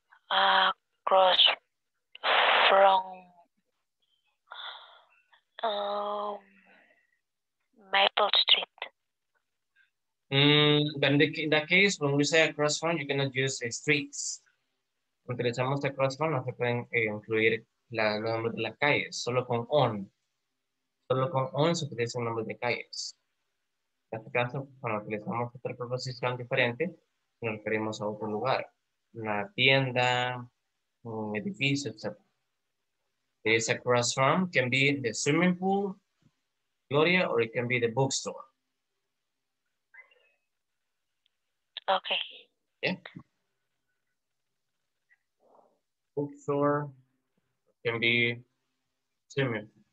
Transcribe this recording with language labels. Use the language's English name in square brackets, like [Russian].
[English] Across from Maple Street. In that case, when we say across from, you cannot use streets. [Spanish] Utilizamos across from, no se pueden incluir los nombres de las calles, solo con on. Solo con on se utilizan nombres de calles. En este caso, cuando utilizamos otra preposición diferente, nos referimos a otro lugar. Una tienda, un edificio, etc. [English] There is across from, can be the swimming pool, Gloria, or it can be the bookstore. Okay. Yeah. Bookstore can be swimming.